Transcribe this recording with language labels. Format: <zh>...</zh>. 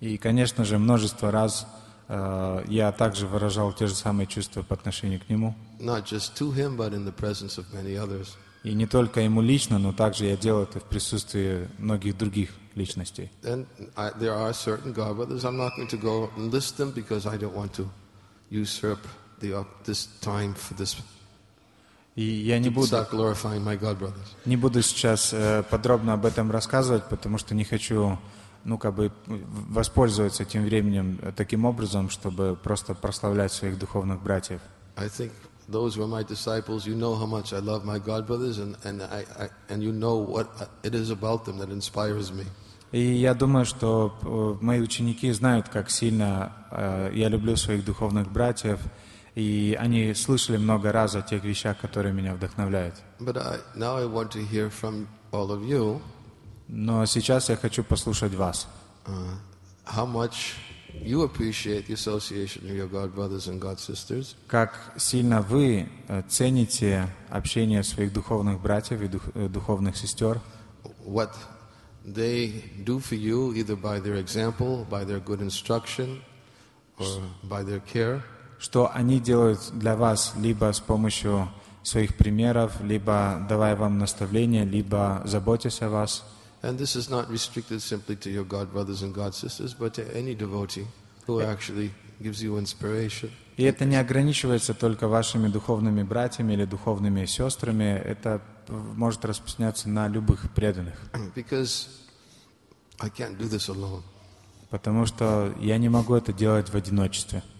<ru>И, конечно же, множество раз я также выражал те же самые чувства по отношению к нему.</ru> <en>Not just to him, but in the presence of many others.</en> <ru>И не только ему лично, но также я делал это в присутствии многих других личностей. И я не буду сейчас подробно об этом рассказывать, потому что не хочу, ну, как бы воспользоваться этим временем таким образом, чтобы просто прославлять своих духовных братьев.</ru> <en>Those were my disciples. You know how much I love my God brothers, and you know what it is about them that inspires me.</en> <ru>И я думаю, что мои ученики знают, как сильно я люблю своих духовных братьев, и они слышали много раз о тех вещах, которые меня вдохновляют.</ru> <en>But now I want to hear from all of you.</en> <ru>Но сейчас я хочу послушать вас.</ru> <en>How much you appreciate the association of your God brothers and God sisters?</en> <ru>Как сильно вы цените общение своих духовных братьев и духовных сестер?</ru> <en>What they do for you, either by their example, by their good instruction, or by their care?</en> <ru>Что они делают для вас, либо с помощью своих примеров, либо давая вам наставления, либо заботясь о вас?</ru> <en>And this is not restricted simply to your God brothers and God sisters, but to any devotee who actually gives you inspiration.</en> <ru>И это не ограничивается только вашими духовными братьями или духовными сестрами. Это может распространяться на любых преданных.</ru> <en>Because I can't do this alone.</en> <ru>Потому что я не могу это делать в одиночестве.</ru>